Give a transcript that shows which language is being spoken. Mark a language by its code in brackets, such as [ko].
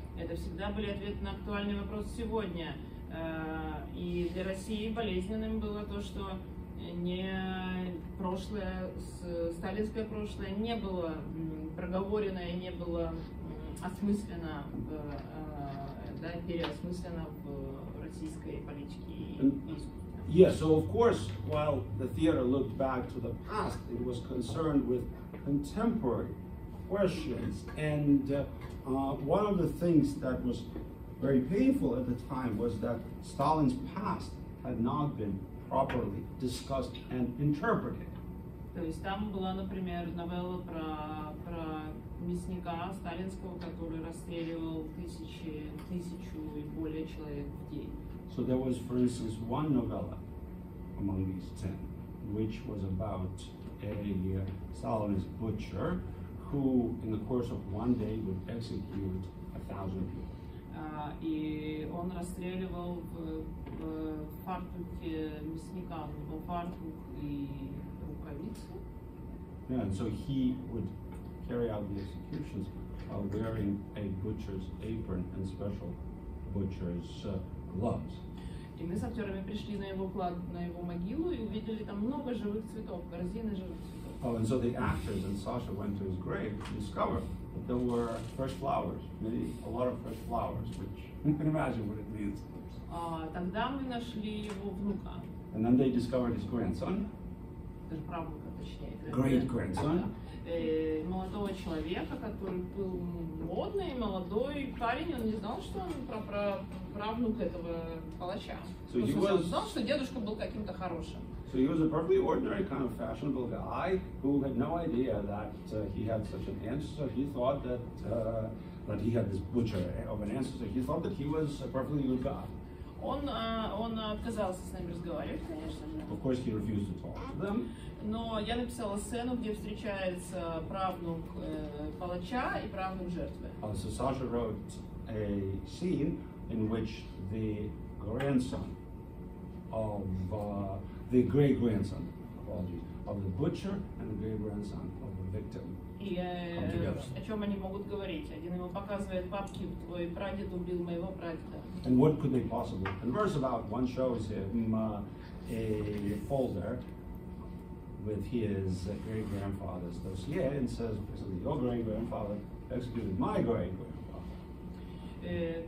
[ru] Это всегда были ответы на актуальный вопрос сегодня. И для России болезненным было то, что не прошлое, сталинское прошлое не было проговорено и не было осмысленно, да, переосмыслено в российской политике и искусстве. [en] Yes, so of course, while the theater looked back to the past, it was concerned with contemporary questions. And one of the things that was very painful at the time was that Stalin's past had not been properly discussed and interpreted. [ru] То есть там была, например, новелла про мясника сталинского, который расстреливал тысячу и более человек в день. [en] So there was, for instance, one novella among these 10, which was about a Stalinist butcher who, in the course of one day, would execute 1,000 people. [ru] И он расстреливал в фартуке мясника, в фартук и рукавицу. [en] Yeah, and so he would carry out the executions while wearing a butcher's apron and special butcher's gloves. [ru] И мы с актерами пришли на его клад, на его могилу, и увидели там много живых цветов, корзины живых цветов. [en] Oh, and so the actors and Sasha went to his grave to discover that there were fresh flowers, maybe a lot of fresh flowers, which you can imagine what it means. [ru] Тогда мы нашли его внука. [en] And then they discovered his grandson. [ru] Даже правнука, точнее. [en] Great grandson. [ru] Молодого человека, который был модный, молодой парень, он не знал, что он правнук этого палача. [en] So he was, [ru] он знал, что дедушка был каким-то хорошим. [en] So he was a perfectly ordinary kind of fashionable guy who had no idea that he had such an ancestor. He thought that that he had this butcher of an ancestor. He thought that he was a perfectly good guy. [ru] Он отказался с нами разговаривать, конечно же. [en] Of course, he refused to talk to them. [ru] Но я написала сцену, где встречается правнук палача и правнук жертвы. [en] So Sasha wrote a scene in which the grandson of the great grandson, apologies, of the butcher and the great grandson of the victim. [ru] О чем они могут говорить? Один ему показывает папки, твой прадед убил моего прадеда. [en] And what could they possibly converse about? One shows him a folder with his great-grandfather's dossier and says, basically, your great-grandfather executed my great-grandfather.